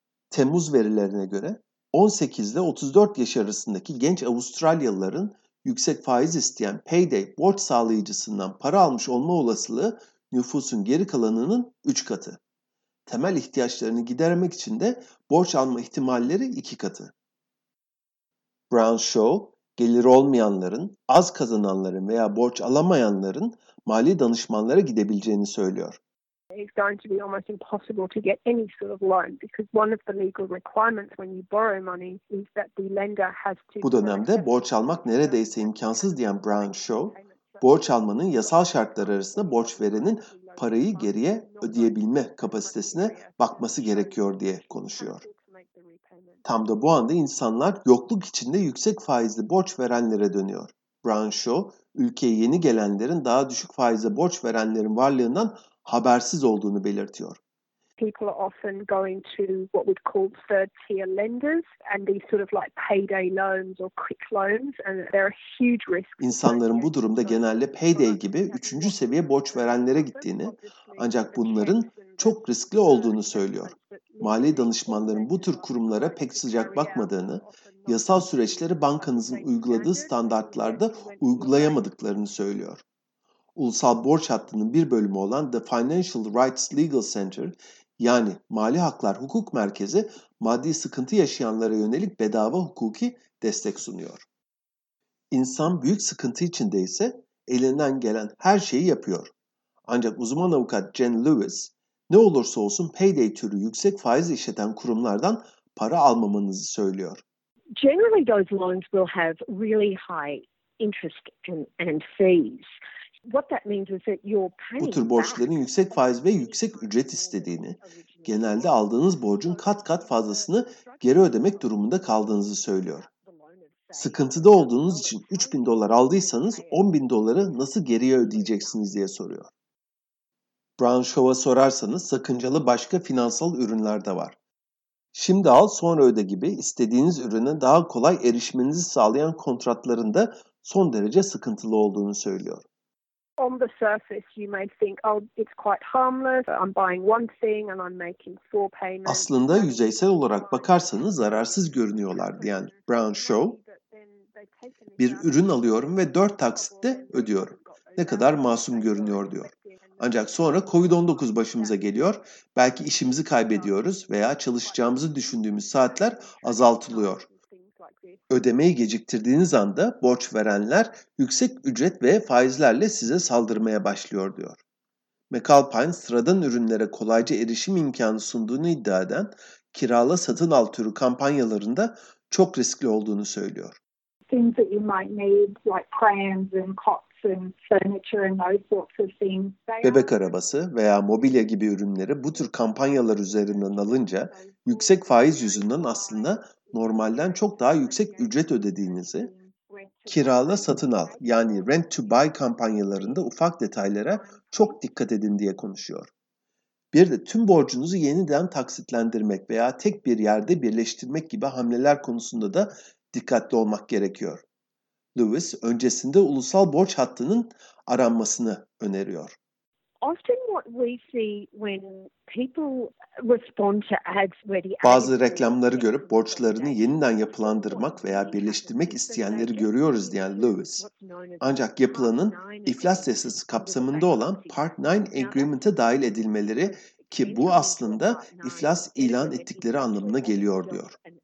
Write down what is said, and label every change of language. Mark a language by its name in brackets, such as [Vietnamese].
[Turkish] Temmuz verilerine göre 18 ile 34 yaş arasındaki genç Avustralyalıların yüksek faiz isteyen payday borç sağlayıcısından para almış olma olasılığı nüfusun geri kalanının 3 katı. Temel ihtiyaçlarını gidermek için de borç alma ihtimalleri 2 katı. Brown Shaw, geliri olmayanların, az kazananların veya borç alamayanların mali danışmanlara gidebileceğini söylüyor. [English] It's going to be almost impossible to get any sort of loan because one of the legal requirements when you borrow money is that the lender has to. [Turkish] Bu dönemde borç almak neredeyse imkansız diyen Brown Shaw, borç almanın yasal şartları arasında borç verenin parayı geriye ödeyebilme kapasitesine bakması gerekiyor diye konuşuyor. Tam da bu anda insanlar yokluk içinde yüksek faizli borç verenlere dönüyor. Brown Shaw, ülkeye yeni gelenlerin daha düşük faize borç verenlerin varlığından habersiz olduğunu belirtiyor. [English] People are often going to what we'd call third tier lenders and these sort of like payday loans or quick loans and there are huge risks. [Turkish] İnsanların bu durumda genelde payday gibi üçüncü seviye borç verenlere gittiğini, ancak bunların çok riskli olduğunu söylüyor. Mali danışmanların bu tür kurumlara pek sıcak bakmadığını, yasal süreçleri bankanızın uyguladığı standartlarda uygulayamadıklarını söylüyor. Ulusal borç hattının bir bölümü olan The Financial Rights Legal Center, yani Mali Haklar Hukuk Merkezi, maddi sıkıntı yaşayanlara yönelik bedava hukuki destek sunuyor. İnsan büyük sıkıntı içinde ise elinden gelen her şeyi yapıyor. Ancak uzman avukat Jen Lewis, ne olursa olsun payday türü yüksek faiz işleten kurumlardan para almamanızı söylüyor. [English] Generally those loans will have really high interest and fees. What that means is that you're paying. [Turkish] Bu tür borçların yüksek faiz ve yüksek ücret istediğini, genelde aldığınız borcun kat kat fazlasını geri ödemek durumunda kaldığınızı söylüyor. Sıkıntıda olduğunuz için 3000 dolar aldıysanız 10.000 doları nasıl geriye ödeyeceksiniz diye soruyor. Brown Shaw'a sorarsanız sakıncalı başka finansal ürünler de var. Şimdi al sonra öde gibi istediğiniz ürüne daha kolay erişmenizi sağlayan kontratların da son derece sıkıntılı olduğunu söylüyor. [English] On the surface you may think, oh, it's quite harmless. I'm buying one thing and I'm making four payments. [Turkish] Aslında yüzeysel olarak bakarsanız zararsız görünüyorlar diyen Brown Shaw, bir ürün alıyorum ve 4 taksitte ödüyorum. Ne kadar masum görünüyor diyor. Ancak sonra COVID-19 başımıza geliyor, belki işimizi kaybediyoruz veya çalışacağımızı düşündüğümüz saatler azaltılıyor. Ödemeyi geciktirdiğiniz anda borç verenler yüksek ücret ve faizlerle size saldırmaya başlıyor diyor. McAlpine, sıradan ürünlere kolayca erişim imkanı sunduğunu iddia eden kirala satın al türü kampanyalarında çok riskli olduğunu söylüyor. [English] Things that you might need, like prams and cots and furniture and those sorts of things. [Turkish] Bebek arabası veya mobilya gibi ürünleri bu tür kampanyalar üzerinden alınca yüksek faiz yüzünden aslında normalden çok daha yüksek ücret ödediğinizi, kirala satın al yani rent to buy kampanyalarında ufak detaylara çok dikkat edin diye konuşuyor. Bir de tüm borcunuzu yeniden taksitlendirmek veya tek bir yerde birleştirmek gibi hamleler konusunda da dikkatli olmak gerekiyor. Lewis öncesinde ulusal borç hattının aranmasını öneriyor. [English] Often what we see when people respond to ads ready. [Turkish] Bazı reklamları görüp borçlarını yeniden yapılandırmak veya birleştirmek isteyenleri görüyoruz diyen Lewis. Ancak yapılanın iflas yasası kapsamında olan Part 9 Agreement'e dahil edilmeleri ki bu aslında iflas ilan ettikleri anlamına geliyor diyor.